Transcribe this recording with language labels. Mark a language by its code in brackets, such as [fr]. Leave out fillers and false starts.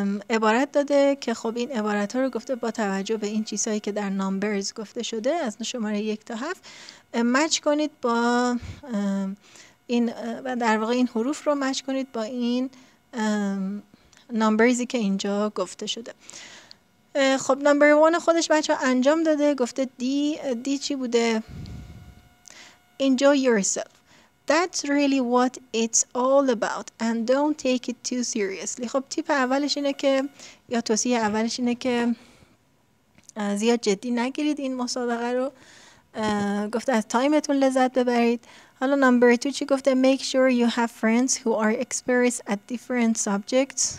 [fa] عبارت داده که خب این عبارت ها رو گفته با توجه به این چیزهایی که در نامبرز گفته شده از شماره 1 تا 7 مچ کنید با این و در واقع این حروف رو مچ کنید با این نامبرزی که اینجا گفته شده. خب نمبر 1 خودش بچه ها انجام داده، گفته دی چی بوده؟ [en] enjoy yourself. That's really what it's all about and don't take it too seriously. [fa] خب تیپ اولش اینه که یا توصیه اولش اینه که زیاد جدی نگیرید این مسابقه رو. گفته از تایمتون لذت ببرید. حالا نمبر 2 چی گفته؟ [en] make sure you have friends who are experts at different subjects.